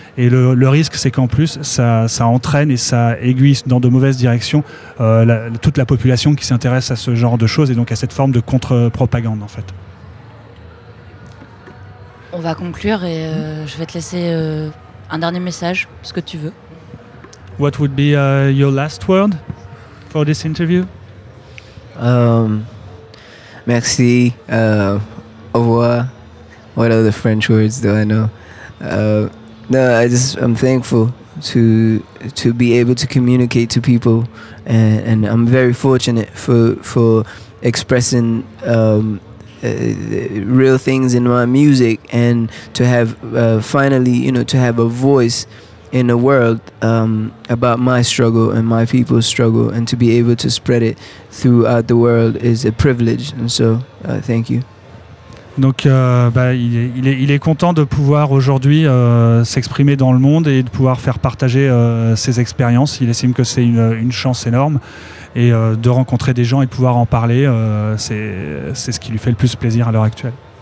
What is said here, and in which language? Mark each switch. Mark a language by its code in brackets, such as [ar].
[fr] Et le risque, c'est qu'en plus, ça entraîne et ça aiguille dans de mauvaises directions toute la population qui s'intéresse à ce genre de choses et donc à cette forme de contre-propagande, en fait. On va conclure et je vais te laisser un dernier message, ce que tu veux. [en] What would be your last word for this interview? [fr] Merci. Au revoir. [en] What other French words do I know? I'm thankful to be able to communicate to people, and I'm very fortunate for expressing real things in my music, and to have finally, you know, to have a voice in the world about my struggle and my people's struggle, and to be able to spread it throughout the world is a privilege. And so, thank you. [fr] Donc il est content de pouvoir aujourd'hui s'exprimer dans le monde et de pouvoir faire partager ses expériences. Il estime que c'est une chance énorme et de rencontrer des gens et de pouvoir en parler, c'est ce qui lui fait le plus plaisir à l'heure actuelle.